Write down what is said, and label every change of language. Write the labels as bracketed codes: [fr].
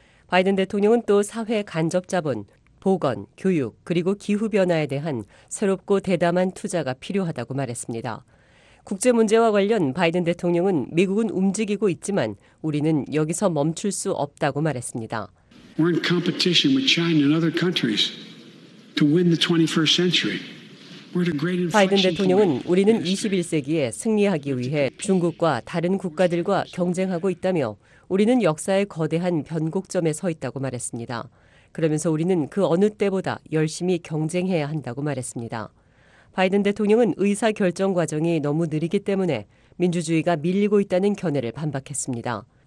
[ko] 바이든 대통령은 또 사회 간접 자본, 보건, 교육, 그리고 기후변화에 대한 새롭고 대담한 투자가 필요하다고 말했습니다. 국제 문제와 관련 바이든 대통령은 미국은 움직이고 있지만 우리는 여기서 멈출 수 없다고 말했습니다. [en] We're in competition with China and other countries to win the 21st century. [ko] 바이든 대통령은 우리는 21세기에 승리하기 위해 중국과 다른 국가들과 경쟁하고 있다며 우리는 역사의 거대한 변곡점에 서 있다고 말했습니다. 그러면서 우리는 그 어느 때보다 열심히 경쟁해야 한다고 말했습니다. 바이든 대통령은 의사결정 과정이 너무 느리기 때문에 민주주의가 밀리고 있다는 견해를 반박했습니다.